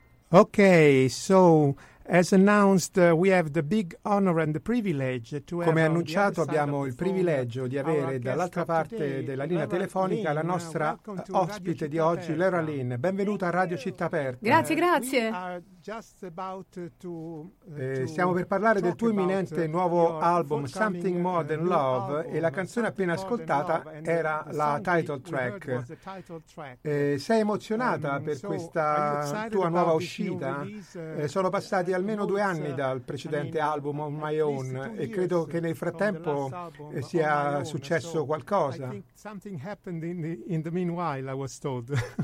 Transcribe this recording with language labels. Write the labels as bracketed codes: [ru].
[en] Okay, so as announced, we have the big honor and the privilege to have. [it] Come annunciato, abbiamo il privilegio di avere dall'altra parte della linea telefonica la nostra ospite di oggi, Laura Lynn. Benvenuta a Radio Città Aperta. Grazie, grazie. Stiamo per parlare del tuo imminente nuovo album Something More Than Love, e la canzone appena ascoltata era la title track. Sei emozionata per questa tua nuova uscita? Sono passati almeno 2 anni dal precedente album On My Own e credo che nel frattempo sia successo qualcosa. [en] Something happened in the meanwhile, I was told.